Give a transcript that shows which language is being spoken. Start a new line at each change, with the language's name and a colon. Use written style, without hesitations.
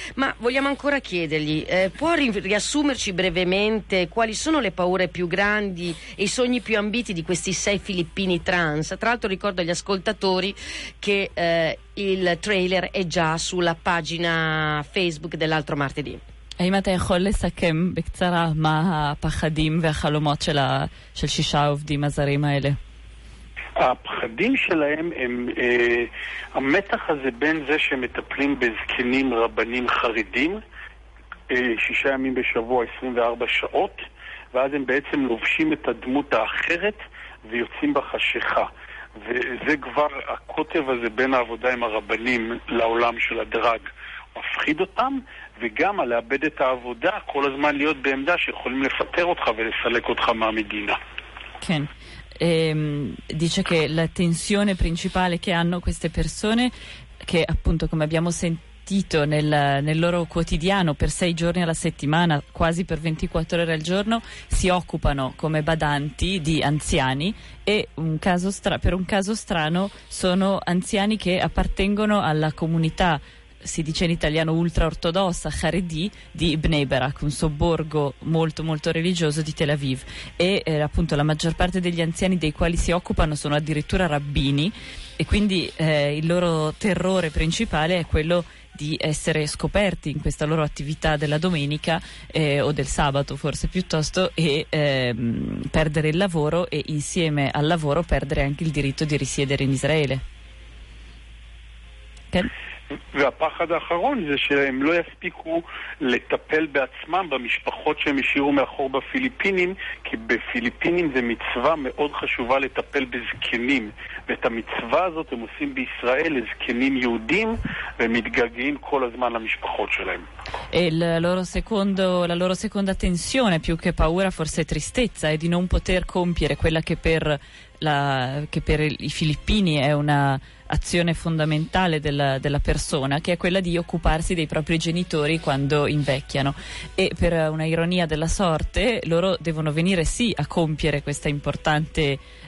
Italian: Ma vogliamo ancora chiedergli, può riassumerci brevemente quali sono le paure più grandi e i sogni più ambiti di questi sei filippini trans? Tra l'altro ricordo agli ascoltatori che il trailer è già sulla pagina Facebook dell'altro martedì.
Hebrew: האם אתה יכול לסכם בקצרה מה הפחדים והחלומות של שישה העובדים הזרים האלה? הפחדים שלהם הם המתח הזה בין זה שמטפלים בזקנים רבנים חרדים שישה ימים בשבוע 24 שעות, ואז הם בעצם לובשים את הדמות האחרת ויוצאים בחשיכה. וזה כבר הקוטב הזה בין העבודה עם הרבנים לעולם של הדרג מפחיד אותם, וגם על לאבד את העבודה, כל הזמן להיות בעמדה שיכולים לפטר אותך ולסלק אותך מהמדינה. כן.
Italian: Dice che la tensione principale che hanno queste persone, che appunto come abbiamo sentito nel loro quotidiano per sei giorni alla settimana, quasi per 24 ore al giorno, si occupano come badanti di anziani, e per un caso strano sono anziani che appartengono alla comunità, si dice in italiano ultra ortodossa, Haredi, di Bnei Barak, un sobborgo molto molto religioso di Tel Aviv, e appunto la maggior parte degli anziani dei quali si occupano sono addirittura rabbini, e quindi il loro terrore principale è quello di essere scoperti in questa loro attività della domenica o del sabato forse piuttosto, e perdere il lavoro e insieme al lavoro perdere anche il diritto di risiedere in Israele. Okay.
Hebrew: והפחד האחרון זה שהם לא יספיקו לטפל בעצמם במשפחות שהם השאירו מאחור בפיליפינים, כי בפיליפינים זה מצווה מאוד חשובה לטפל בזקנים, ואת המצווה הזאת הם עושים בישראל לזקנים יהודים ומתגעגעים כל הזמן למשפחות שלהם.
Italian: La loro seconda tensione, più che paura forse tristezza, è di non poter compiere quella che per i filippini è una azione fondamentale della persona, che è quella di occuparsi dei propri genitori quando invecchiano, e per una ironia della sorte loro devono venire sì a compiere questa importante